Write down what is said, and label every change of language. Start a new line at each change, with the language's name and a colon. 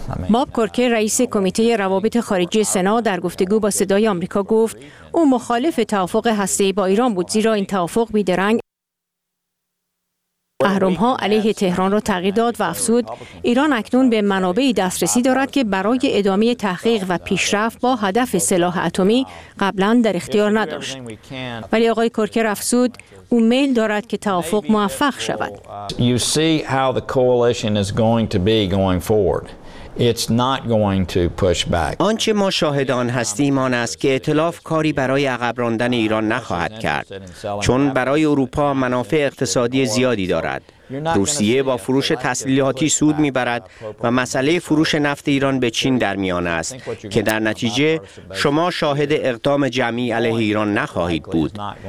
Persian: باب کورکر رئیس کمیته روابط خارجی سنا در گفتگو با صدای آمریکا گفت او مخالف توافق هسته‌ای با ایران بود، زیرا این توافق بیدرنگ اهرم‌ها علیه تهران را تغییر داد و افزود ایران اکنون به منابعی دسترسی دارد که برای ادامه تحقیق و پیشرفت با هدف سلاح اتمی قبلا در اختیار نداشت. ولی آقای کورکر افزود او میل دارد که توافق موفق شود.
English: You see how the coalition is going to be going forward. It's not going to push back.
Persian: آنچه ما شاهد آن هستیم آن است که ائتلاف کاری برای عقب راندن ایران نخواهد کرد، چون برای اروپا منافع اقتصادی زیادی دارد. روسیه با فروش تسلیحاتی سود می‌برد و مسئله فروش نفت ایران به چین در میان است که در نتیجه شما شاهد اقدام جمعی علیه ایران نخواهید بود.